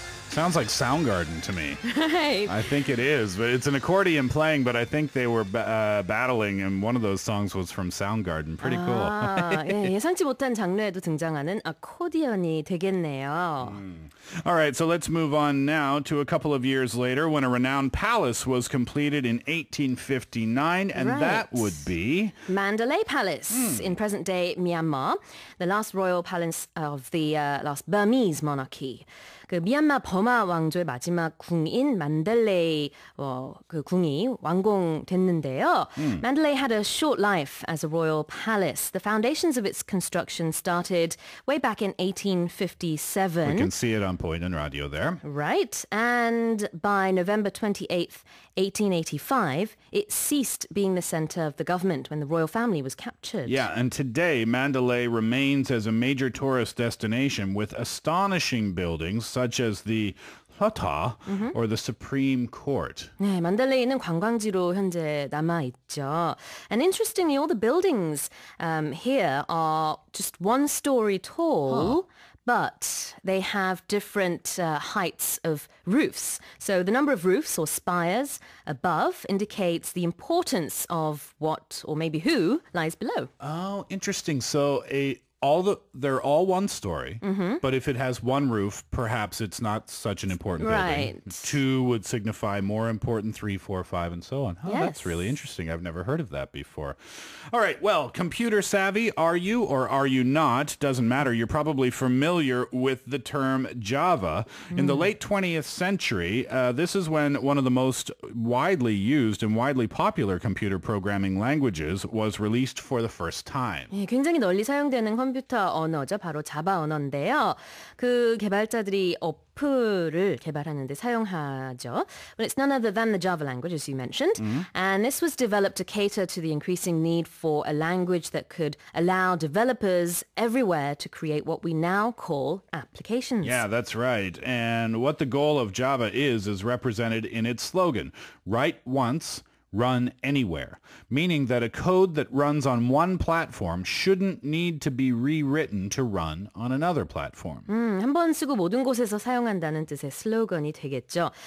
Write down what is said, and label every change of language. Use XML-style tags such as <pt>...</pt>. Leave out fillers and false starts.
<en>Sounds like Soundgarden to me. Right. I think it is, but it's an accordion playing, but I think they were battling, and one of those songs was from Soundgarden. Pretty cool.</en> <ko>예상치 못한 장르에도 등장하는 아코디언이 되겠네요.</ko> <en>All right, so let's move on now to a couple of years later when a renowned palace was completed in 1859, and that would be Mandalay Palace in present-day Myanmar, the last royal palace of the last Burmese monarchy.</en> <ko>그 미얀마 버마 왕조의 마지막 궁인 만달레이 그 궁이 완공됐는데요.</ko> <en>Mandalay had a short life as a royal palace. The foundations of its construction started way back in 1857. We can see it on point in radio there. Right. And by November 28th, 1885, it ceased being the center of the government when the royal family was captured. Yeah, and today Mandalay remains as a major tourist destination with astonishing buildings such as the Hota or the Supreme Court.</en> <ko>네, 만달레이는 관광지로 현재 남아 있죠.</ko> <en>And interestingly, all the buildings here are just one story tall, But they have different heights of roofs. So the number of roofs or spires above indicates the importance of what or maybe who lies below. Oh, interesting. So they're all one story, mm-hmm. but if it has one roof, perhaps it's not such an important building. Right. Two would signify more important, three, four, five, and so on. Oh, yes. That's really interesting. I've never heard of that before. All right, well, computer savvy, are you or are you not? Doesn't matter. You're probably familiar with the term Java. Mm. In the late 20th century, this is when one of the most widely used and widely popular computer programming languages was released for the first time.</en> <ko>예, 굉장히 널리 사용되는 컴퓨터 언어죠. 바로 자바 언어인데요. 그 개발자들이 어플을 개발하는데 사용하죠.</ko> <en>Well, it's none other than the Java language, as you mentioned. Mm-hmm. And this was developed to cater to the increasing need for a language that could allow developers everywhere to create what we now call applications. Yeah, that's right. And what the goal of Java is represented in its slogan, write once, run anywhere, meaning that a code that runs on one platform shouldn't need to be rewritten to run on another platform.</en> <ko>한번 쓰고 모든 곳에서 사용한다는 뜻의 슬로건이 되겠죠.</ko>